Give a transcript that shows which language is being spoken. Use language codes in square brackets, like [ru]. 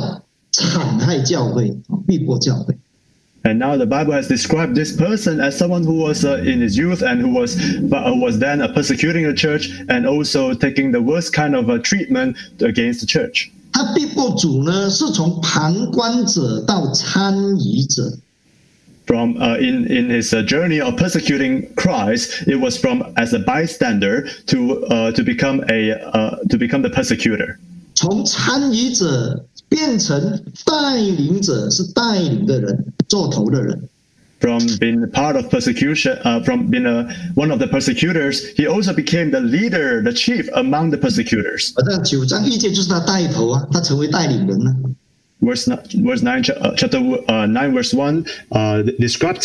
[zh] 看圣经对他的介绍，从看守衣服到喜欢神的工人被杀，到残害教会、逼迫教会。 [en] And now the Bible has described this person as someone who was in his youth and who was then persecuting the church and also taking the worst kind of treatment against the church. [zh] 他逼迫主呢，是从旁观者到参与者。 [en] From in his journey of persecuting Christ, it was from as a bystander to become the persecutor. [zh] 从参与者变成带领者，是带领的人，做头的人。 [en] From being part of persecution, from being one of the persecutors, he also became the leader, the chief among the persecutors. 9:1 describes